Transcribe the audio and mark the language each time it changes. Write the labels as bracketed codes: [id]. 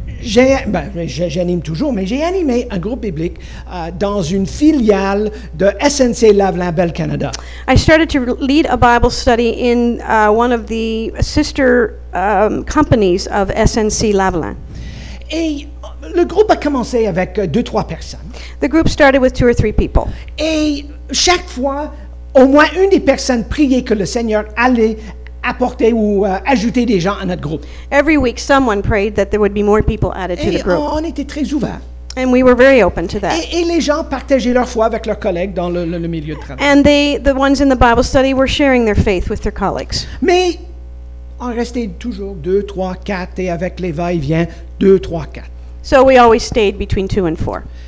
[fr] J'anime toujours, mais j'ai animé un groupe biblique dans une filiale de SNC-Lavalin Bell Canada. [en] I started to lead a Bible study in one of the sister companies of SNC-Lavalin. [fr] Et le groupe a commencé avec 2-3 personnes. [en] The group started with 2 or 3 people. [fr] Et chaque fois, au moins une des personnes priait que le Seigneur allait apporter ou ajouter des gens à notre groupe. [en] Every week someone prayed that there would be more people added [fr] et [en] to the group. [fr] On était très ouverts. [en] And we were very open to that. [fr] Et les gens partageaient leur foi avec leurs collègues dans le milieu de travail. [en] And the ones in the Bible study were sharing their faith with their colleagues. [fr] Mais on restait toujours 2, 3, 4 et avec les va-et-vient 2, 3, 4. [en] So we always stayed between 2 and 4.